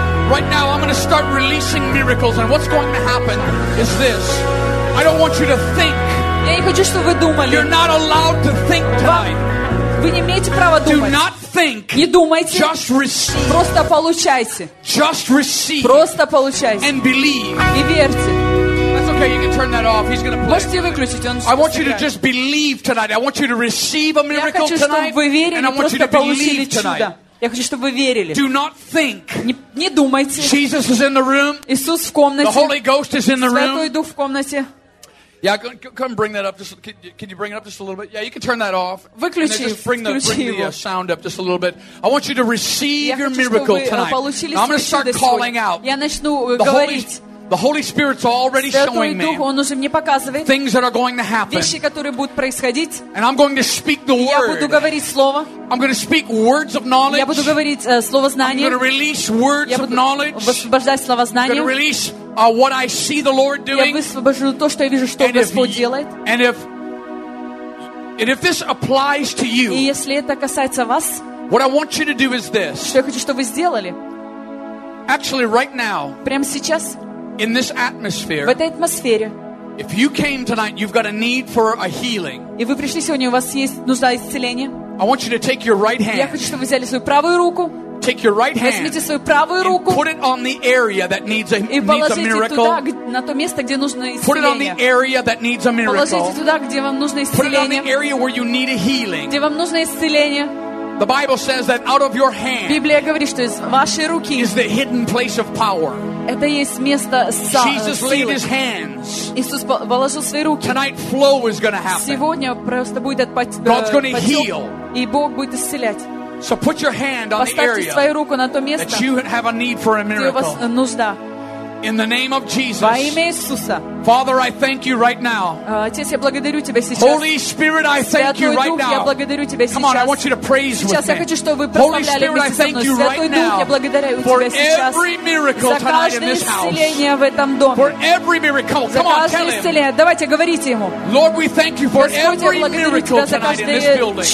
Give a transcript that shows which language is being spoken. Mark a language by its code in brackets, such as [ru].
[en] Right now, I'm going to start releasing miracles, and what's going to happen is this. I don't want you to think. [ru] Я не хочу, чтобы вы думали. [en] You're not allowed to think tonight. [ru] Вы не имеете права думать. [en] Do not think. [ru] Не думайте. [en] Just receive. [ru] Просто получайте. [en] Just receive. [ru] Просто получайте. [en] And believe. [ru] И верьте. [en] Okay, you can turn that off. He's going to play. [ru] Можете выключить. Он [en] I want you to just believe тonight. I want you to receive a miracle [ru] хочу, [en] tonight. [ru] Я хочу, чтобы вы верили. [en] And I want you to believe tonight. [ru] Я хочу, чтобы вы верили. [en] Do not think. [ru] Не думайте. [en] Jesus is in the room. [ru] Иисус в комнате. [en] The Holy Ghost is in the room. [ru] Святой Дух в комнате. [en] Yeah, come bring that up. Just can you bring it up just a little bit? Yeah, you can turn that off. [ru] Выключи. [en] Just bring the sound up just a little bit. I want you to receive [ru] я [en] your [ru] хочу, [en] miracle [ru] чтобы, [en] tonight. Now, I'm going to start calling out. [ru] Я начну говорить. [en] The Holy Spirit's already showing me. [ru] Святой Дух, он уже мне показывает. [en] Things that are going to happen. [ru] Вещи, которые будут происходить. [en] And I'm going to speak the word. [ru] Я буду говорить слово. [en] I'm going to speak words of knowledge. [ru] Я буду говорить слово знания. [en] I'm going to release words of knowledge. [ru] Я буду высвобождать слова знания. [en] I'm going to release what I see the Lord doing. [ru] Я высвобожу то, что я вижу, что Господь делает. [en] And if this applies to you. [ru] И если это касается вас. [en] What I want you to do is this. [ru] Что я хочу, чтобы вы сделали. [en] Actually, right now. [ru] Прямо сейчас. [en] In this atmosphere, [ru] в этой атмосфере, [en] if you came tonight, you've got a need for a healing. [ru] И вы пришли сегодня, у вас есть нужда исцеления. [en] I want you to take your right hand. [ru] Я хочу, чтобы вы взяли свою правую руку. [en] Take your right hand. [ru] Возьмите свою правую руку. [en] Put it on the area that needs a miracle. [ru] И положите туда, на то место, где нужно исцеление. [en] Put it on the area that needs a miracle. [ru] Положите туда, где вам нужно исцеление. [en] Put it on the area where you need a healing. [ru] Где вам нужно исцеление. [en] The Bible says that out of your hand is the hidden place of power. [ru] Это есть место [en] Jesus laid his hands. [ru] Иисус положил свои руки. [en] Tonight flow is going to happen. [ru] Сегодня просто будет отпать. [en] God's going to heal. [ru] И Бог будет исцелять. [en] So put your hand on the area. [ru] Поставьте свою руку на то место. [en] That you have a need for a miracle. [ru] Где у вас нужда. [en] In the name of Jesus. [ru] Во имя Иисуса. [en] Father, I thank you right now. [ru] Отец, я благодарю тебя сейчас. [en] Holy Spirit, I thank you right now. [ru] Святой Дух, я благодарю тебя сейчас. [en] Come on, I want you to praise with me. [ru] Сейчас я хочу, чтобы вы прославляли вместе со мной. [en] Holy Spirit, I thank you right now. [ru] Святой Дух, я благодарю тебя [en] for every miracle tonight in this house. [ru] За каждое исцеление в этом доме. [en] For every miracle. Come on, tell him. [ru] За каждое исцеление. Давайте говорите ему. [en] Lord, we thank you for every miracle tonight in this building.